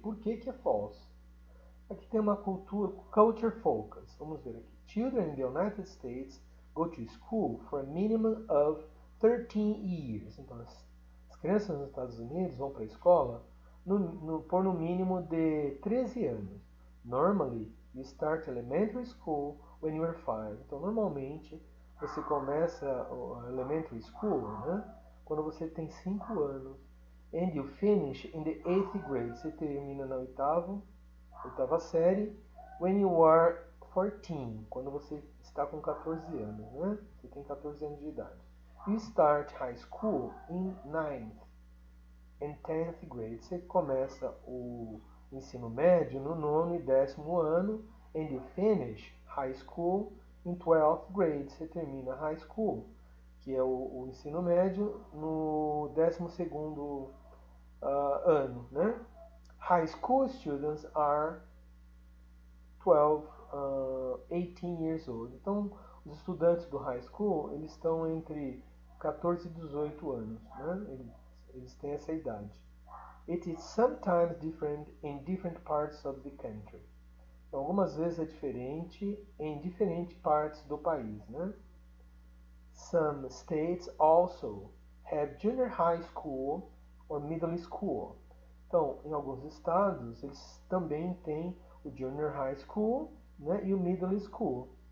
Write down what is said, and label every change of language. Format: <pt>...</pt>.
<pt>Por que que é false? Aqui tem uma cultura, culture focus. Vamos ver aqui.</pt> <en>Children in the United States go to school for a minimum of 13 years.</en> <pt>Então, as crianças nos Estados Unidos vão para a escola por no mínimo de 13 anos.</pt> <en>Normally, you start elementary school when you are 5.</en> <pt>Então, normalmente, você começa o elementary school, né, quando você tem 5 anos.</pt> <en>And you finish in the 8th grade.</en> <pt>Você termina na oitava série</pt> <en>when you are 14,</en> <pt>quando você está com 14 anos, né? Você tem 14 anos de idade.</pt> <en>You start high school in 9th and 10th grade.</en> <pt>Você começa o ensino médio no nono e décimo ano.</pt> <en>And you finish high school in 12th grade.</en> <pt>Você termina high school, que é o ensino médio, no 12º ano, né?</pt> <en>High school students are 12, 18 years old.</en> <pt>Então, os estudantes do high school, eles estão entre 14 e 18 anos, né? Eles têm essa idade.</pt> <en>It is sometimes different in different parts of the country.</en> <pt>Então, algumas vezes é diferente em diferentes partes do país, né?</pt> <en>Some states also have junior high school or middle school.</en> <pt>Então, em alguns estados, eles também têm o junior high school, né, e o middle school.</pt>